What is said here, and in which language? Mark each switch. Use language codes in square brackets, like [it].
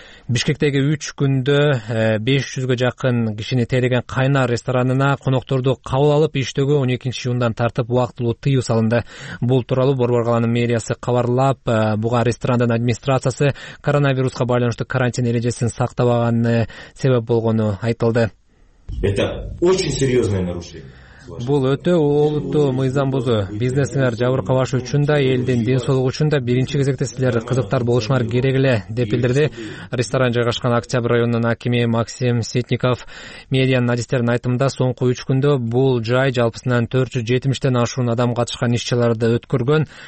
[ky] Бишкектеги 3 күндө 500 жакын кишини тейлеген кайнар ресторанына конокторду кабыл алып, иштөгү 12 июндан тартып убактылуу тыюу салынды. Бул тууралуу Борбор калаанын мэриясы кабарлап, буга ресторандын администрациясы коронавируска байланыштуу карантин эрежесин сактабаганы себеп болгону айтылды. [ru] Это очень серьёзное нарушение. [ky] Бул өтө олуттуу мыйзам бузуу. Бизнесмендер жабыркабашы үчүн да, элдин ден соолугу үчүн да биринчи кезекте силер кызыктар болушуңар керек эле, деп билдирди ресторан жайгашкан Октябрь районунун акими Максим Ситников. Медианын адистеринин айтымында соңку 3 күндө бул жай жалпысынан 470 ашуун адам катышкан иш-чараларды өткөргөн.